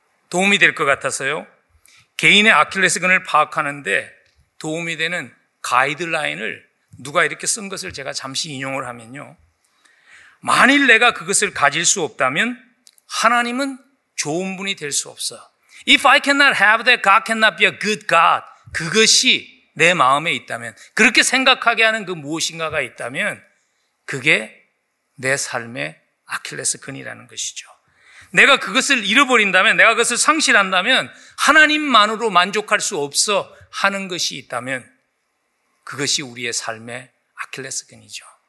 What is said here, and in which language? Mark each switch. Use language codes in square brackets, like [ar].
[ko] 도움이 될 것 같아서요. 개인의 아킬레스건을 파악하는데 도움이 되는 가이드라인을 누가 이렇게 쓴 것을 제가 잠시 인용을 하면요. 만일 내가 그것을 가질 수 없다면 하나님은 좋은 분이 될 수 없어. [en] If I cannot have that, God cannot be a good God. [ko] 그것이 내 마음에 있다면, 그렇게 생각하게 하는 그 무엇인가가 있다면 그게 내 삶의 아킬레스건이라는 것이죠. 내가 그것을 잃어버린다면, 내가 그것을 상실한다면 하나님만으로 만족할 수 없어 하는 것이 있다면 그것이 우리의 삶의 아킬레스건이죠.